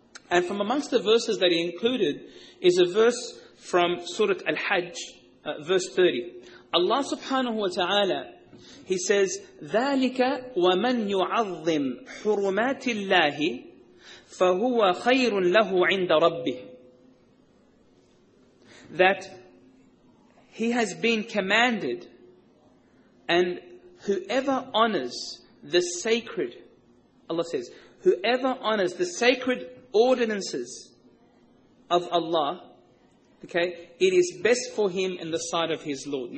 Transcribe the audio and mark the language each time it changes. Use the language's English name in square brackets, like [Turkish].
[English] And from amongst the verses that he included is a verse from Surah Al-Hajj, verse 30. Allah subhanahu wa ta'ala, he says, [Arabic] ذَلِكَ وَمَنْ يُعَظِّمْ حُرُمَاتِ اللَّهِ فَهُوَ خَيْرٌ لَهُ عِنْدَ رَبِّهِ. [English] That he has been commanded, and whoever honors the sacred, Allah says, whoever honors the sacred ordinances of Allah, okay, it is best for him in the sight of his Lord.